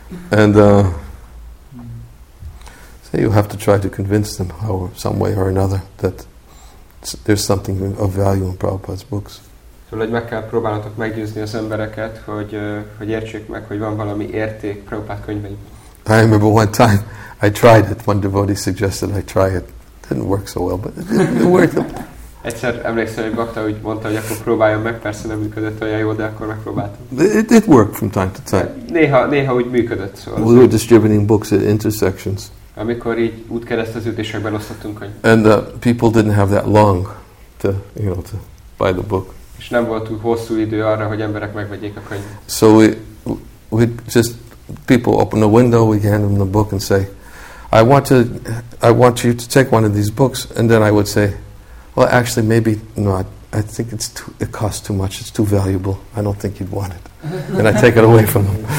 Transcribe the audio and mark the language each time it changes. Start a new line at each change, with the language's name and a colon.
English: And so you have to try to convince them how, some way or another that there's something of value in Prabhupada's books.
Hungarian: Szóval, hogy meg kell próbálnatok meggyőzni az embereket, hogy értsék meg, hogy van valami érték Prabhupada könyveiben.
English: I remember one time I tried it. One devotee suggested I try it. Didn't work so well, but it worked.
Hungarian: Egyszer emlékszem, hogy bakta úgy mondta, hogy akkor próbáljam meg, persze nem működött olyan jól, de akkor megpróbáltam.
English: It worked from time to time.
Hungarian: Néha úgy működött. Szóval
English: we were distributing books at intersections.
Hungarian: Amikor így útkereszteződésekben osztottunk könyvet.
English: And people didn't have that long to buy the book.
Hungarian: És nem volt túl hosszú idő arra, hogy emberek megvegyék a könyvet.
English: So people open a window, we hand them the book and say, I want you to take one of these books. And then I would say, well, actually, maybe not. I think it's too, it costs too much, it's too valuable, I don't think you'd want it. And I take it away from them.